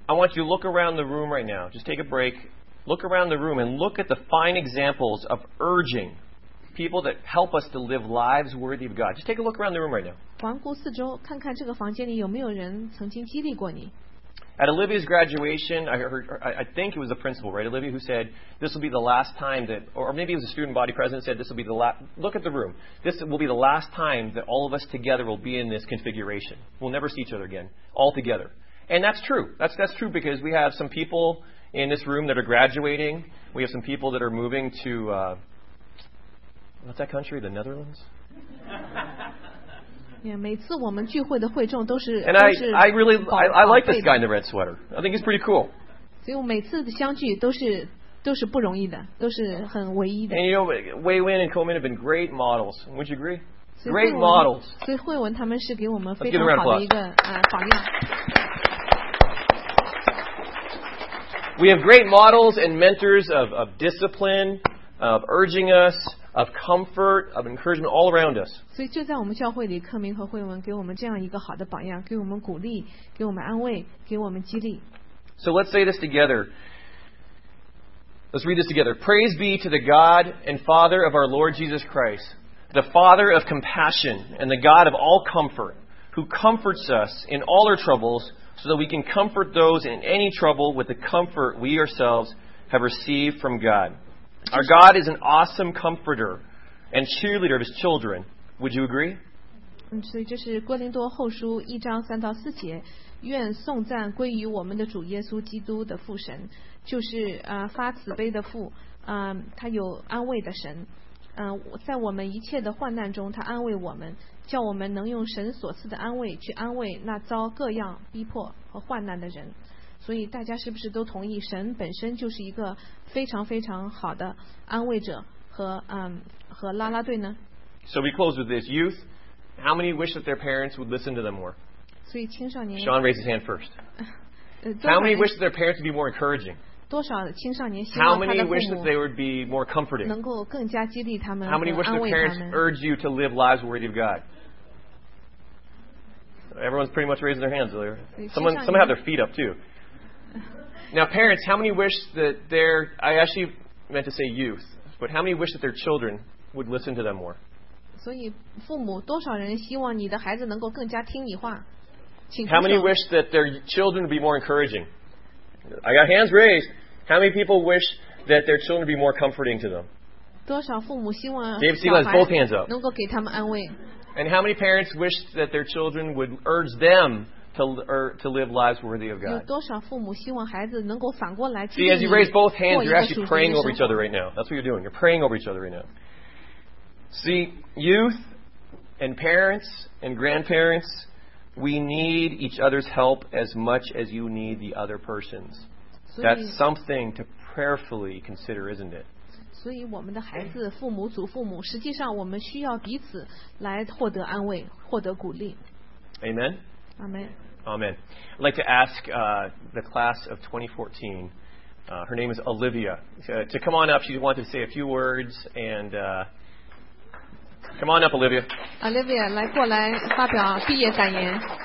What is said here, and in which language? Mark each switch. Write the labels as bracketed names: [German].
[English] I want you to look around the room right now. Just take a break. Look around the room and look at the fine examples of urging people that help us to live lives worthy of God. Just take a look around the room right now. [Chinese] 环顾四周，看看这个房间里有没有人曾经激励过你。 [English] At Olivia's graduation, I think it was the principal, right, Olivia, who said, this will be the last time that, or maybe it was the student body president said, this will be the last, look at the room. This will be the last time that all of us together will be in this configuration. We'll never see each other again, all together. And that's true. That's true because we have some peopleIn this room that are graduating, we have some people that are moving to, what's that country, the Netherlands? Yeah, [Chinese] 每次我们聚会的会众都是 [English] And I really, I like this guy in the red sweater. I think he's pretty cool. [Chinese] 所以我每次相聚都是不容易的，都是很唯一的。 [English] And you know, Wei Wen and Ko Min have been great models. Would you agree? Great models. [Chinese] 所以慧文他们是给我们非常好的一个榜样。 [English] We have great models and mentors of discipline, of urging us, of comfort, of encouragement all around us. [Chinese] 所以就在我们教会里，柯明和慧文给我们这样一个好的榜样，给我们鼓励，给我们安慰，给我们激励。 [English] So let's say this together. Let's read this together. Praise be to the God and Father of our Lord Jesus Christ, the Father of compassion and the God of all comfort, who comforts us in all our troubles. So that we can comfort those in any trouble with the comfort we ourselves have received from God. Our God is an awesome comforter and cheerleader of His children. Would you agree? [Chinese] 所以这是哥林多后书一章三到四节，愿颂赞归于我们的主耶稣基督的父神，就是发慈悲的父，他有安慰的神。在我们一切的患难中，他安慰我们，叫我们能用神所赐的安慰去安慰那遭各样逼迫和患难的人。所以大家是不是都同意，神本身就是一个非常非常好的安慰者和拉拉队呢？ [English] So we close with this. Youth, how many wish that their parents would listen to them more? [Chinese] 所以青少年 [English] Sean raised his hand first. How many wish that their parents would be more encouraging? [Chinese] 多少青少年希望他的父母能够更加激励他们，安慰他们。 [English] How many wish that they would be more How many wish their parents urge you to live lives worthy of God? Everyone's pretty much raising their hands earlier. Some have their feet up too. Now, parents, how many wish that their I actually meant to say youth, but how many wish that their children would listen to them more? [Chinese] 所以父母多少人希望你的孩子能够更加听你话？ [English] How many wish that their children would be more encouraging? I got hands raised. How many people wish that their children would be more comforting to them? Dave Seela has both hands up. [Chinese] 能够给他们安慰。 [English] And how many parents wish that their children would urge them to live lives worthy of God? [Chinese] 有多少父母希望孩子能够反过来激励你过一个属的生活。 [English] See, as you raise both hands, you're actually praying over each other right now. That's what you're doing. You're praying over each other right now. See, youth and parents and grandparents... We need each other's help as much as you need the other person's. That's something to prayerfully consider, isn't it? [Chinese] 所以我们的孩子、父母、祖父母，实际上我们需要彼此来获得安慰、获得鼓励。 [English] Amen. Amen. Amen. I'd like to ask the class of 2014 Her name is Olivia. To come on up, she wanted to say a few words. And come on up, Olivia. [Chinese] Olivia, 来发表毕业感言。